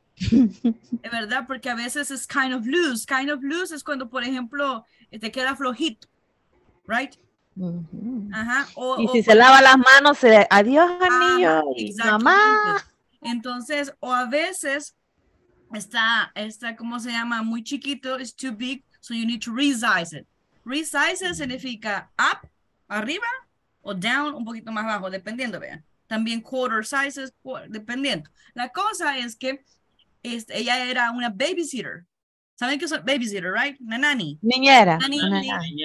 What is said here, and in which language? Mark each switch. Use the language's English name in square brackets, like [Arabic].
[Spanish] Es verdad, porque a veces es [English] kind of loose. Kind of loose [Spanish] es cuando, por ejemplo, te queda flojito, right? Uh-huh. Ajá. Y si se lava las manos, adiós, anillo, mamá. Entonces, o a veces está, ¿cómo se llama? Muy chiquito, [English] it's too big, so you need to resize it. [Spanish] Resize significa up, arriba, o down, un poquito más bajo, dependiendo, vean. También quarter sizes, dependiendo. La cosa es que ella era una babysitter. ¿Saben qué es babysitter, right? Una nani. Niñera. Nani, niñera.